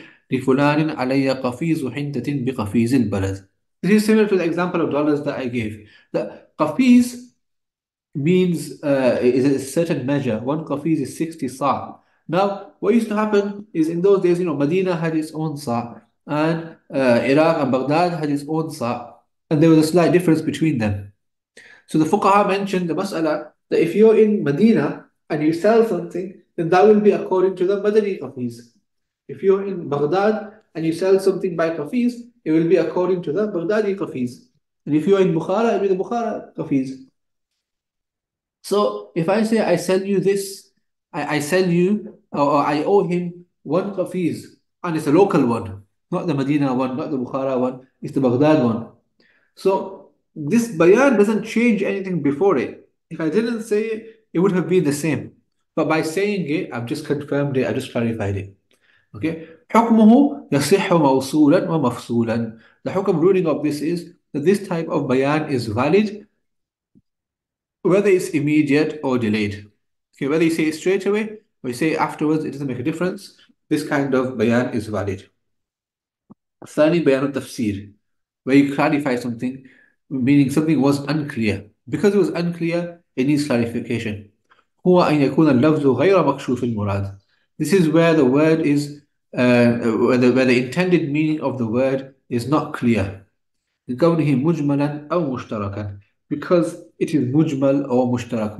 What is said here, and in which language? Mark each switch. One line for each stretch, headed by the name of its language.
Arabic: لفلان علي قفيز حنطة بقفيز البلد.
English: This is similar to the example of dollars that I gave. That قفيز means is a certain measure. One قفيز is 60 صاع. Now, what used to happen is in those days, you know, Medina had its own صاع and Iraq and Baghdad had its own صاع. And there was a slight difference between them. So the fuqaha mentioned the mas'ala that if you're in Medina and you sell something, then that will be according to the Madani qafiz. If you're in Baghdad and you sell something by qafiz, it will be according to the Baghdadi qafiz. And if you're in Bukhara, it will be the Bukhara qafiz. So if I say I sell you this, I sell you, or I owe him one qafiz, and it's a local one, not the Medina one, not the Bukhara one, it's the Baghdad one. So this bayan doesn't change anything before it. If I didn't say it, it would have been the same. But by saying it, I've just confirmed it, I just clarified it. Okay?
Arabic: حكمه يصح موصولا ومفصولا.
English: The hukum ruling of this is that this type of bayan is valid whether it's immediate or delayed. Okay, whether you say it straight away or you say it afterwards, it doesn't make a difference. This kind of bayan is valid.
Arabic: ثاني بيان التفسير
English: where you clarify something meaning something was unclear. Because it was unclear it needs clarification.
Arabic: هو أن يكون اللفظ غير مكشوف المراد.
English: This is where the word is where the intended meaning of the word is not clear.
Arabic: لكونه مجملا أو مشتركا.
English: Because it is
Arabic: مجمل أو مشترك.